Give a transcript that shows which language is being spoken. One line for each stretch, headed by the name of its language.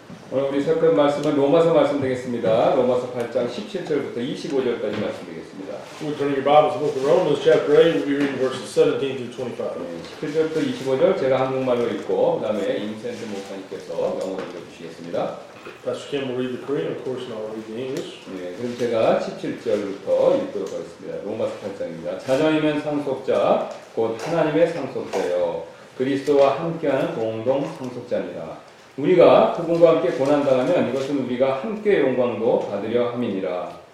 Korean: 오늘 우리 설교 말씀은 로마서 말씀 되겠습니다. 로마서 8장 17절부터 25절까지 말씀 되겠습니다.
English: We're turning your Bibles to the Romans chapter 8. We'll be reading verses 17 through 25.
Korean: 17절부터 25절 제가 한국말로 읽고 그다음에 임센트 목사님께서 영어로 읽어 주시겠습니다.
English: Pastor Kim will read the Korean, of course, and I'll read the English.
Korean: 네, 그럼 제가 17절부터 읽도록 하겠습니다. 로마서 8장입니다. 자녀이면 상속자, 곧 하나님의 상속자요 그리스도와 함께하는 공동 상속자입니다. 우리가 그분과 함께 고난당하면 이것은 우리가 함께 영광도 받으려 함이니라.